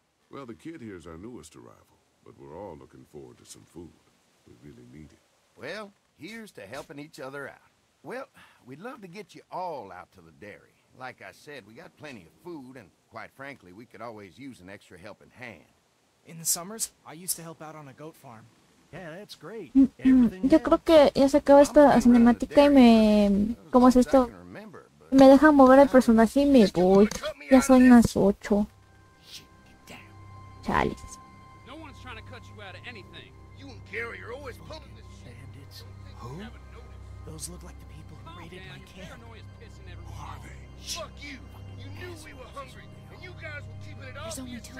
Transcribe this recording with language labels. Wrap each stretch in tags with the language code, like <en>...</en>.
<en>Well, the kid here is our newest arrival, but we're all looking forward to some food. We really need it. Well, here's to helping each other out. Well, we'd love to get you all out to the dairy. Like I said, we got plenty of food, and quite frankly, we could always use an extra helping hand. In the summers, I used to help out on a goat farm. Yeah, that's great.</en> <es>Yo creo que ya se acaba esta cinemática y me... ¿Cómo es esto? Me deja mover el personaje y me voy. Ya son las 8. Chales.</es> <en>No one's trying to cut you out of anything. You and Gary are always pulling this shit. Bandits? Who? Those look like the people who raided my camp. Who are they? Fuck you. You knew we were hungry. And you guys were keeping it all to yourselves.</en>